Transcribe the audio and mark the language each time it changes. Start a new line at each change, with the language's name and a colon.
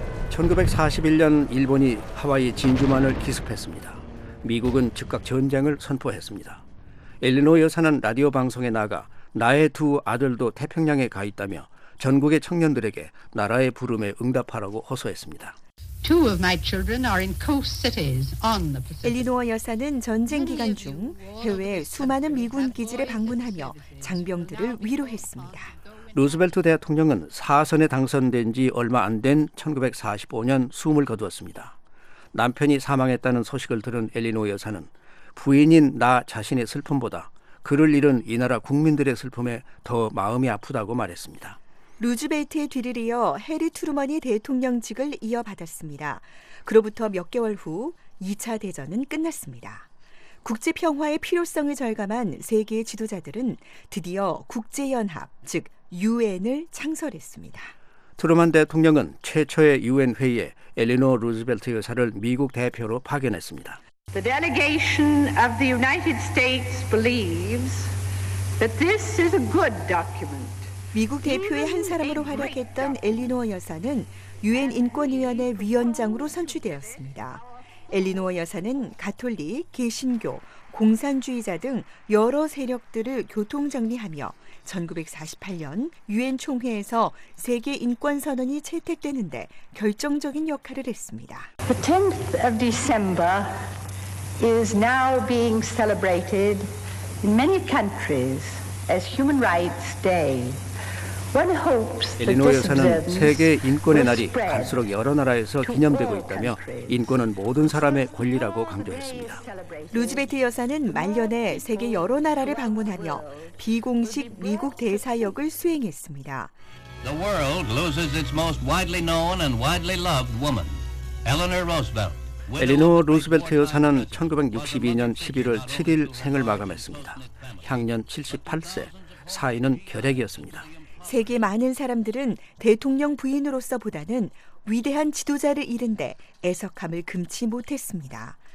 Korean: 1941년 일본이 하와이 진주만을 기습했습니다. 미국은 즉각 전쟁을 선포했습니다. 엘리노어 여사는 라디오 방송에 나가 나의 두 아들도 태평양에 가 있다며 전국의 청년들에게 나라의 부름에 응답하라고 호소했습니다.
English: Two of my children are in coast cities on the Pacific.
Korean: 엘리노어 여사는 전쟁 기간 중 해외 수많은 미군 기지를 방문하며 장병들을 위로했습니다. 루스벨트 대통령은 4선에 당선된 지 얼마 안 된 1945년 숨을 거두었습니다. 남편이 사망했다는 소식을 들은 엘리노어 여사는 부인인 나 자신의 슬픔보다 그를 잃은 이 나라 국민들의 슬픔에 더 마음이 아프다고 말했습니다. 루즈벨트의 뒤를 이어 해리 트루먼이 대통령직을 이어받았습니다. 그로부터 몇 개월 후 2차 대전은 끝났습니다. 국제평화의 필요성을 절감한 세계의 지도자들은 드디어 국제연합, 즉 UN을 창설했습니다. 트루먼 대통령은 최초의 유엔 회의에 엘리노 루즈벨트 여사를 미국 대표로 파견했습니다.
English: The delegation of the United States believes that this is a good document.
Korean: 미국 대표의 한 사람으로 활약했던 엘리노 여사는 유엔 인권위원회 위원장으로 선출되었습니다. 엘리노 여사는 가톨릭, 개신교, 공산주의자 등 여러 세력들을 교통정리하며 1948년 유엔 총회에서 세계 인권 선언이 채택되는데 결정적인 역할을 했습니다.
English: The 10th of December is now being celebrated in many countries as Human Rights Day.
Korean: 엘리노 여사는 세계 인권의 날이 갈수록 여러 나라에서 기념되고 있다며 인권은 모든 사람의 권리라고 강조했습니다. 루즈벨트 여사는 말년에 세계 여러 나라를 방문하며 비공식 미국 대사 역을 수행했습니다.
English: The world loses its most widely known and widely loved woman, Eleanor Roosevelt.
Korean: 엘리노 루스벨트 여사는 1962년 11월 7일 생을 마감했습니다. 향년 78세, 사인은 결핵이었습니다. 세계 많은 사람들은 대통령 부인으로서보다는 위대한 지도자를 잃은 데 애석함을 금치 못했습니다.